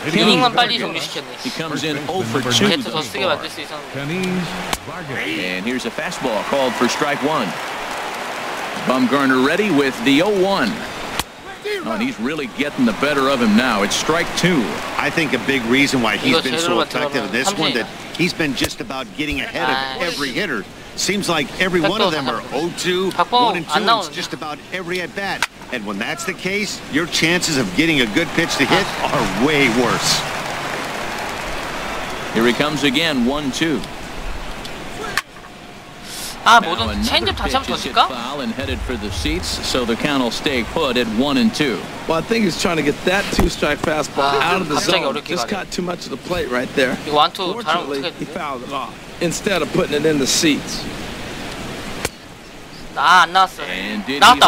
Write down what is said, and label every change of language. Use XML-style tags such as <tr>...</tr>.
<ko>이닝만 빨리 종료시켰네.</ko> <en>He comes in 0-for-2.</en> <ko>헤드 더 쓰게 만들 수 있어.</ko> <en>And here's a fastball called for strike one. Bumgarner ready with the 0-1. Oh, he's really getting the better of him now. It's strike two. I think a big reason why he's been so effective in this one, that he's been just about getting ahead of every hitter. Seems like every one of them are 0-2, 1-2, and it's just about every at-bat. And when that's the case, your chances of getting a good pitch to hit are way worse. Here he comes again, 1-2.</en> <ko>아, 뭐든 체인지업 다시 한번 던질까?</ko> <en>And headed for the seats, so the count will stay put at 1-2. Well, I think he's trying to get that two-strike fastball out of the zone.</en> <ko>갑자기 어렵게</ko> <en>Just got too much of the plate right there.</en> <ko>이거 1-2 잘하면 어떻게 해야 되지?</ko> <en>He fouled it off instead of putting it in the seats.</en> <ko>아, 안 나왔어. 나왔다.</ko>